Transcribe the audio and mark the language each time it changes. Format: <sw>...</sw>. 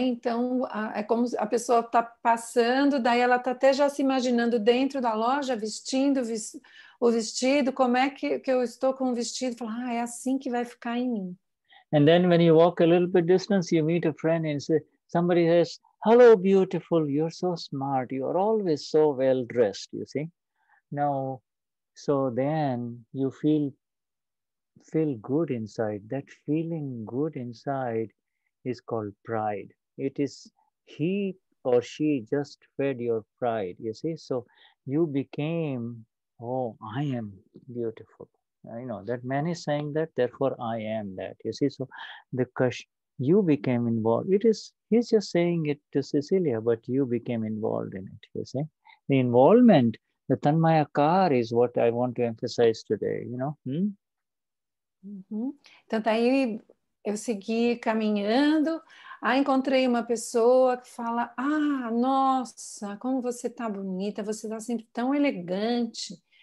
<pt>Então, é como a pessoa está passando, daí ela está até já se imaginando dentro da loja, vestindo o vestido, como é que eu estou com o vestido? Fala, é assim que vai ficar em mim.</pt> <en>And then when you walk a little bit distance, you meet a friend and say, somebody says, hello, beautiful, you're so smart, you're always so well-dressed, you see? Now, so then you feel good inside. That feeling good inside is called pride. It is he or she just fed your pride, you see? So you became, oh, I am beautiful. I know that man is saying that, therefore I am that, you see? So you became involved. It is, he's just saying it to Cecilia, but you became involved in it, you see? The involvement, the tanmayakar is what I want to emphasize today, you know?</en> <pt>Então, aí eu segui caminhando, aí encontrei uma pessoa que fala, ah, nossa, como você está bonita, você está sempre tão elegante.</pt>